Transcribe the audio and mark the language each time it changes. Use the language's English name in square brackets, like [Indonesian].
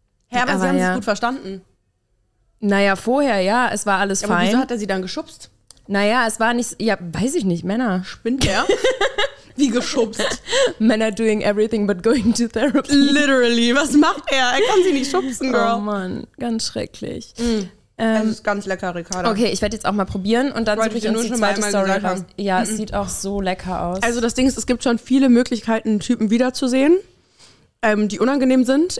[German] Aber sie haben es gut verstanden. Naja, vorher, ja, es war alles aber fein. Aber wieso hat er sie dann geschubst? Naja, es war nicht, ja, weiß ich nicht, Männer. Spinnt der? Wie geschubst? [English] Männer doing everything but going to therapy. [German] Literally, was macht er? Er kann sie nicht schubsen, Girl. Oh Mann, ganz schrecklich. Es ist ganz lecker, Ricarda. Okay, ich werde jetzt auch mal probieren und dann suche ich uns die zweite Story raus. Ja, es sieht auch so lecker aus. Also das Ding ist, es gibt schon viele Möglichkeiten, Typen wiederzusehen, die unangenehm sind.